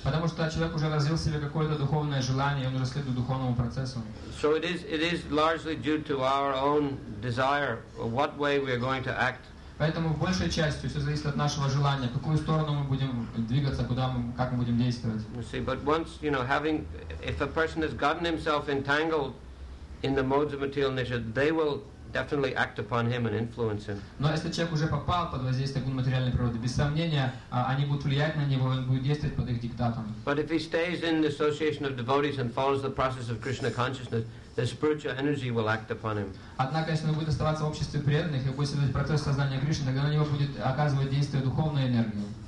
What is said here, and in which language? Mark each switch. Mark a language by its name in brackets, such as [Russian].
[Russian] Потому что человек уже развил в себе какое-то духовное желание, и он уже следует духовному процессу. [English] So it is largely due to our own desire, what way we are going to act. [Russian] Поэтому в большей части все зависит от нашего желания, в какую сторону мы будем двигаться, куда мы, как мы будем действовать. [English] You see, but once, you know, having, if a person has gotten himself entangled in the modes of material nature, they will definitely act upon him and influence him. [Russian] Но если человек уже попал под воздействие гун материальной природы, без сомнения, они будут влиять на него, он будет действовать под их диктатом. [English] But if he stays in the association of devotees and follows the process of Krishna consciousness, the spiritual energy will act upon him. [Russian] Однако, если он будет оставаться в обществе преданных и будет следовать процессу сознания Кришны, тогда на него будет оказывать действие духовная энергия.